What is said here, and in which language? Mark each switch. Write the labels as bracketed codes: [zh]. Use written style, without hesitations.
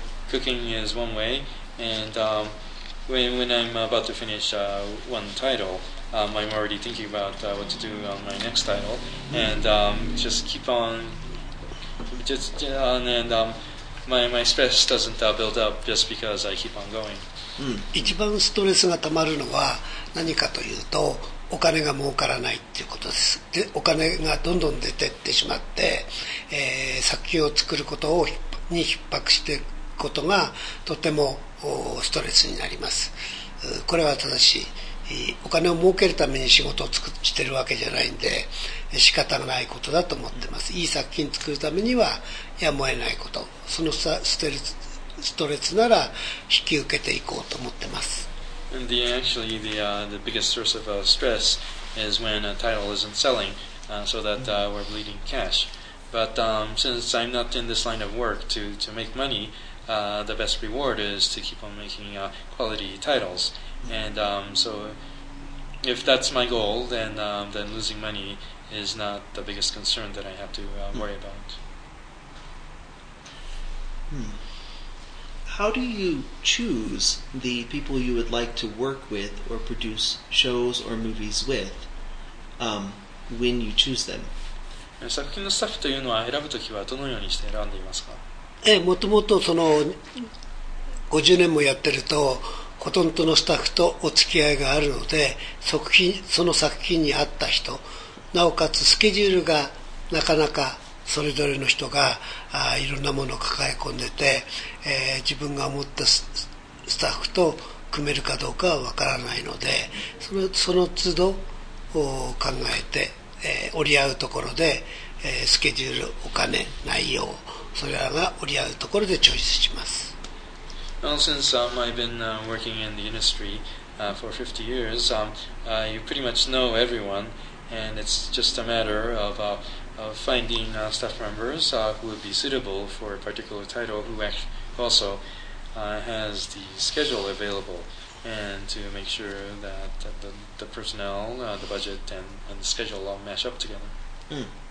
[en] Cooking is one way, and when I'm about to finish one title, I'm already thinking about what to do on my next title, and just keep on just and My stress doesn't build up just because I keep on going. [ja] 一番ストレスがたまるのは何かというと、お金が儲からないっていうことです。で、お金がどんどん出てってしまって、作品を作ることに逼迫していくことがとてもストレスになります。これは正しい。お金を儲けるために仕事をしてるわけじゃないんで、仕方がないことだと思ってます。いい作品作るためにはやむを得ないこと。そのストレスなら引き受けていこうと思ってます。 [en] The biggest source of stress is when a title isn't selling, so that we're bleeding cash. But since I'm not in this line of work to make money, the best reward is to keep on making quality titles. And so if that's my goal, then losing money is not the biggest concern that I have to worry about. How do you choose the people you would like to work with or produce shows or movies with when you choose them? [ja] 作品のスタッフというのは選ぶときはどのようにして選んでいますか？もともとその50年もやってるとほとんどのスタッフとお付き合いがあるので、その作品に合った人、なおかつスケジュールがなかなかそれぞれの人がいろんなものを抱え込んでて、自分が思ったスタッフと組めるかどうかは分からないので、その都度考えて、折り合うところで、スケジュール、お金、内容、それらが折り合うところでチョイスします。 [en] Well, since I've been working in the industry for 50 years, you pretty much know everyone, and it's just a matter of finding staff members who would be suitable for a particular title, who also has the schedule available, and to make sure that the personnel, the budget, and the schedule all mesh up together.